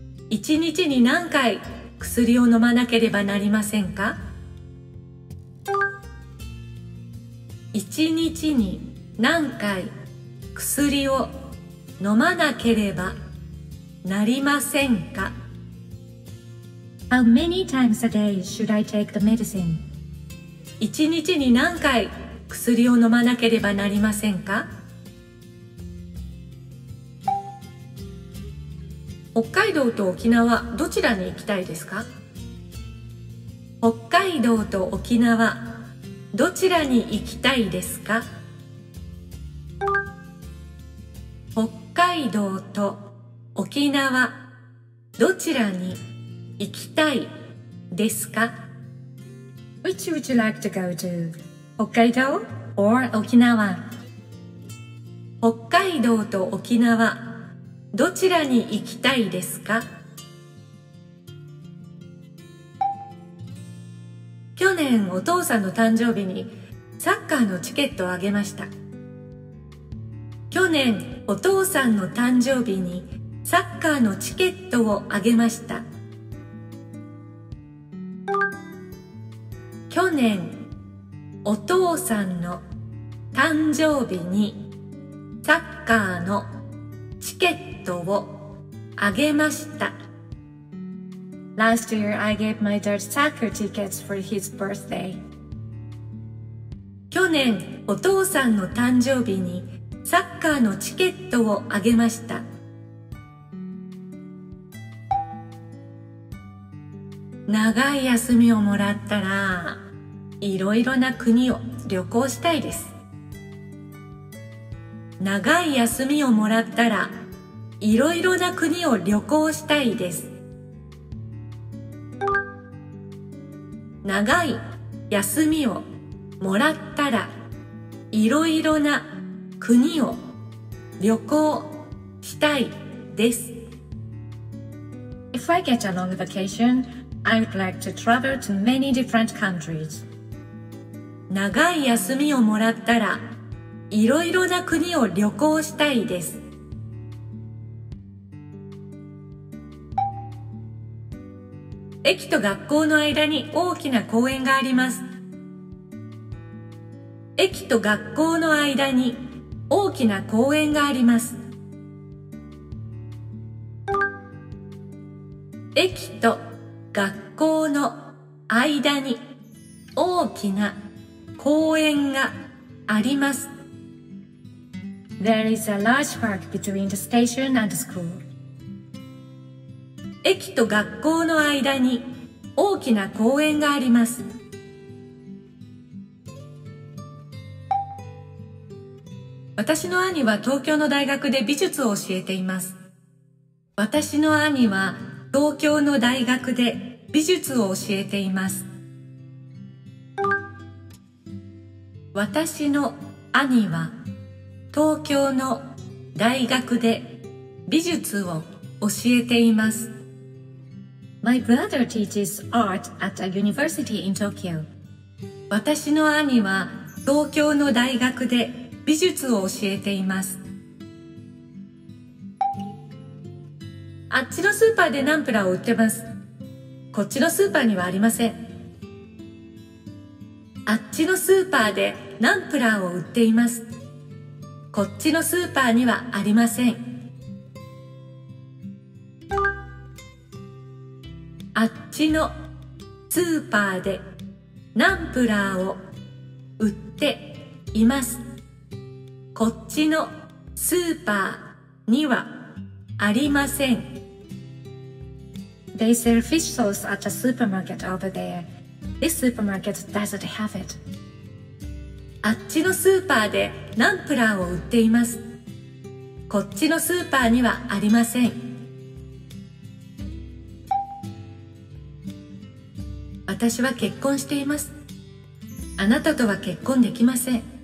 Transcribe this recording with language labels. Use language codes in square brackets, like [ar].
[ja] 一日に何回薬を飲まなければなりませんか？ 1日に何回薬を飲まなければなりませんか？ [en] How many times a day should I take the medicine? [ja] 1日に何回薬を飲まなければなりませんか？北海道と沖縄どちらに行きたいですか？北海道と沖縄どちらに行きたいですか？北海道と沖縄どちらに行きたいですか？ [en] Which would you like to go to? [ja] 北海道 or 沖縄？北海道と沖縄どちらに行きたいですか？去年お父さんの誕生日にサッカーのチケットをあげました。去年お父さんの誕生日にサッカーのチケットをあげました。去年お父さんの誕生日にサッカーのチケットをあげました。 [en] Last year, I gave my dad soccer tickets for his birthday. [ja] 去年、お父さんの誕生日にサッカーのチケットをあげました。長い休みをもらったら、いろいろな国を旅行したいです。長い休みをもらったら、いろいろな国を旅行したいです。長い休みをもらったら、いろいろな国を旅行したいです。 [en] If I get a long vacation, I would like to travel to many different countries. [ja] 長い休みをもらったら、いろいろな国を旅行したいです。駅と学校の間に大きな公園があります。駅と学校の間に大きな公園があります。駅と学校の間に大きな公園があります。 [en] There is a large park between the station and the school. [ja] 駅と学校の間に大きな公園があります。私の兄は東京の大学で美術を教えています。私の兄は東京の大学で美術を教えています。私の兄は東京の大学で美術を教えています。 [en] My brother teaches art at a university in Tokyo. [ja] 私の兄は東京の大学で美術を教えています。あっちのスーパーでナンプラを売ってます。こっちのスーパーにはありません。あっちのスーパーでナンプラを売っています。こっちのスーパーにはありません。あっちのスーパーでナンプラーを売っています。こっちのスーパーにはありません。 [en] They sell fish sauce at a supermarket over there. This supermarket doesn't have it. [ja] あっちのスーパーでナンプラーを売っています。こっちのスーパーにはありません。私は結婚しています。あなたとは結婚できません。